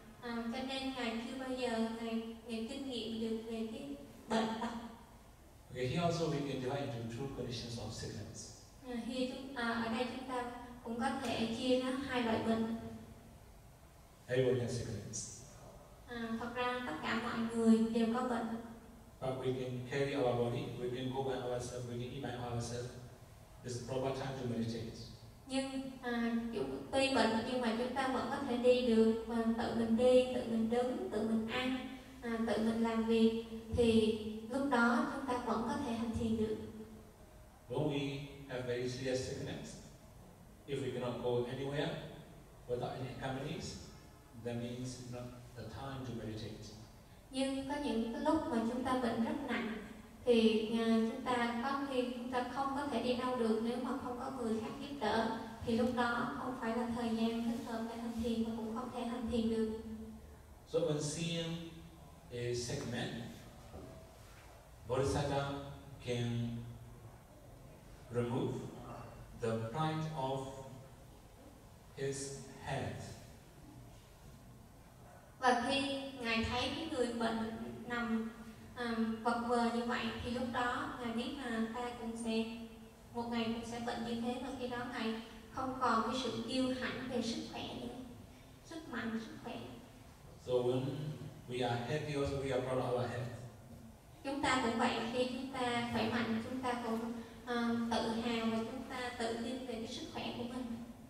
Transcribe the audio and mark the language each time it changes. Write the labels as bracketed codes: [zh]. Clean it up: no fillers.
[vi] Cho nên ngài chưa bao giờ ngài kinh nghiệm được về cái bệnh tật. [en] Okay, he also we can divide into two conditions of sickness. [vi] Ở đây chúng ta cũng có thể chia nó hai loại bệnh. [en] Everyone has sickness. [vi] Thật ra tất cả mọi người đều có bệnh. [en] But we can carry our body, we can go by ourselves, we can eat by ourselves. It's the proper time to meditate. [vi] Nhưng tuy bệnh nhưng mà chúng ta vẫn có thể đi được, mà tự mình đi, tự mình đứng, tự mình ăn, tự mình làm việc, thì lúc đó chúng ta vẫn có thể hành thiền được. [en] When we have very serious sickness, if we cannot go anywhere without any companies, that means not the time to meditate. [vi] Nhưng có những cái lúc mà chúng ta bệnh rất nặng thì chúng ta có khi chúng ta không có thể đi đâu được nếu mà không có người khác giúp đỡ, thì lúc đó không phải là thời gian thích hợp để hành thiền mà cũng không thể hành thiền được. [en] So when seeing a sick man, Bodhisattva can remove the pride of his head. [vi] Và khi ngài thấy cái người bệnh nằm vật vờ như vậy, thì lúc đó ngài biết là ta cũng sẽ một ngày cũng sẽ bệnh như thế, và khi đó ngài không còn cái sự kiêu hãnh về sức khỏe nữa, sức mạnh sức khỏe. [en] So when we are healthy, also we are proud of our health. [vi] Chúng ta cũng vậy, khi chúng ta khỏe mạnh chúng ta cũng tự hào và chúng ta tự tin về cái sức khỏe của mình.